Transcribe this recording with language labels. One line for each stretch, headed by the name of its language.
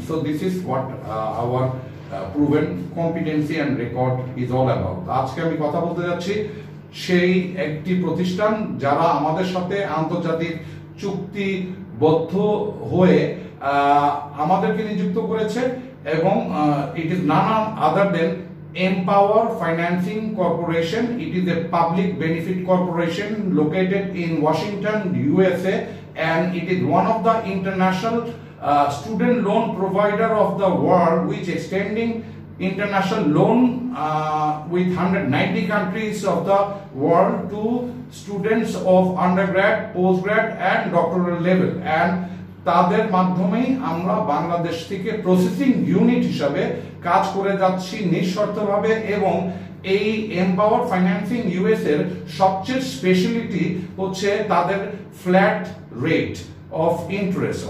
English: So this is what our proven competency and record is all about.
Bangla: আজকে আমি কথা বলতে যাচ্ছি সেই একটি প্রতিষ্ঠান যারা আমাদের সাথে আন্তর্জাতিক চুক্তিবদ্ধ হয়ে আমাদেরকে নিযুক্ত করেছে এবং
English: It is none other than Empower Financing Corporation. It is a public benefit corporation located in Washington, USA, and it is one of the international student loan provider of the world, which extending international loan with 190 countries of the world to students of undergrad, postgrad and doctoral level.
Bangla: And তাদের মাধ্যমেই আমরা বাংলাদেশ থেকে processing unit হিসাবে কাজ করে যাচ্ছি নিঃশর্তভাবে, এবং এই এম্পাওয়ার ফাইন্যান্সিং ইউএস এর সবচেয়ে স্পেশালিটি হচ্ছে তাদের ফ্ল্যাট রেট অফ ইন্টারেস্ট।